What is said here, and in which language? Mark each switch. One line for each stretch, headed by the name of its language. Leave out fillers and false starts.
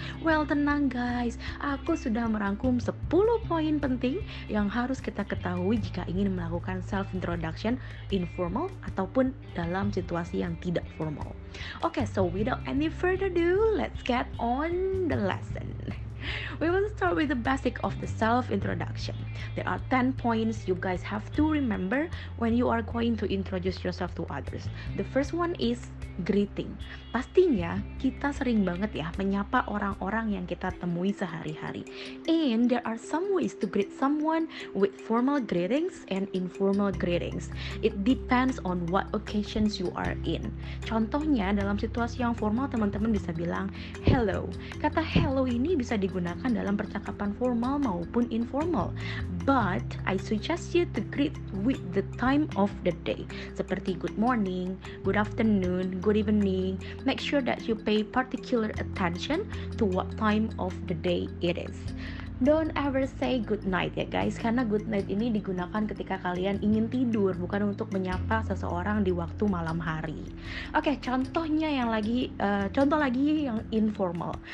Indonesian: Well, tenang guys, aku sudah merangkum 10 poin penting yang harus kita ketahui jika ingin melakukan self-introduction informal ataupun dalam situasi yang tidak formal.
English: Okay, so without any further ado, let's get on the lesson. We will start with the basic of the self-introduction. There are 10 points you guys have to remember when you are going to introduce yourself to others. The first one is greeting.
Indonesian: Pastinya kita sering banget ya menyapa orang-orang yang kita temui sehari-hari.
English: And there are some ways to greet someone with formal greetings and informal greetings. It depends on what occasions you are in.
Indonesian: Contohnya dalam situasi yang formal teman-teman bisa bilang hello. Kata hello ini bisa digunakan dalam percakapan formal maupun informal.
English: But I suggest you to greet with the time of the day. Seperti good morning, good afternoon, good evening. Make sure that you pay particular attention to what time of the day it is. Don't ever say good night ya guys,
Indonesian: karena good night ini digunakan ketika kalian ingin tidur, bukan untuk menyapa seseorang di waktu malam hari. Oke, contohnya yang lagi contoh lagi yang informal.